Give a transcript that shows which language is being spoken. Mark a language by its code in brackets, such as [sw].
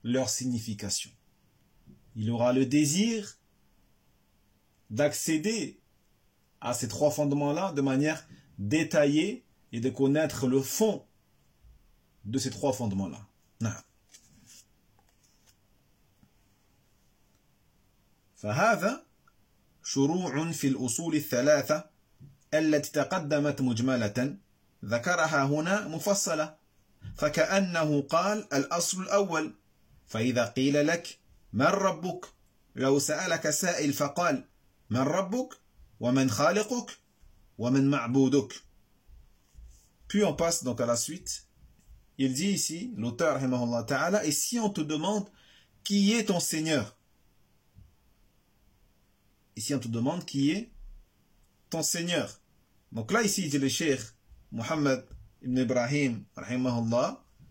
[fr] leur signification. Il aura le désir d'accéder à ces trois fondements-là de manière détaillée et de connaître le fond de ces trois fondements-là. [ar] فهذا شروع في الأصول الثلاثة التي تقدمت مجملة ذكرها هنا مفصلة فكأنه قال الأصل الأول فإذا قيل لك من ربك لو سألك سائل فقال من ربك ومن خالقك ومن معبودك. [fr] Puis on passe donc à la suite. Il dit ici l'auteur رحمه الله تعالى: et si on te demande qui est ton Seigneur? Ici, on te demande qui est ton Seigneur. Donc là, ici, dit le Cheikh Mohammed ibn Ibrahim, rahimahullah.